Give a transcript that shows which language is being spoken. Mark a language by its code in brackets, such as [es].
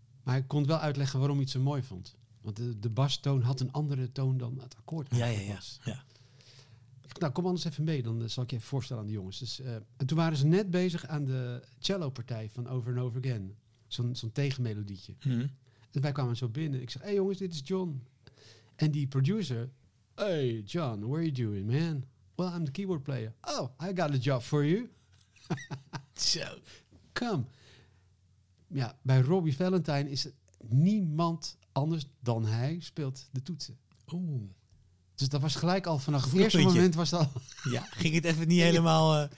[nl] Maar hij kon wel uitleggen waarom hij het zo mooi vond. Want de bastoon had een andere toon dan het akkoord. Ja. Nou, kom anders even mee. Dan zal ik je even voorstellen aan de jongens. Dus, en toen waren ze net bezig aan de cello-partij van Over and Over Again. Zo'n tegenmelodietje. Mm-hmm. En wij kwamen zo binnen. Ik zeg, hey jongens, dit is John. En die producer... [en] Hey John, what are you doing, man? Well, I'm the keyboard player. Oh, I got a job for you. So, come. [nl] Ja, bij Robbie Valentijn is er niemand anders dan hij speelt de toetsen. Oeh. Dus dat was gelijk al vanaf het eerste moment was dat. Ja, ging het even niet helemaal.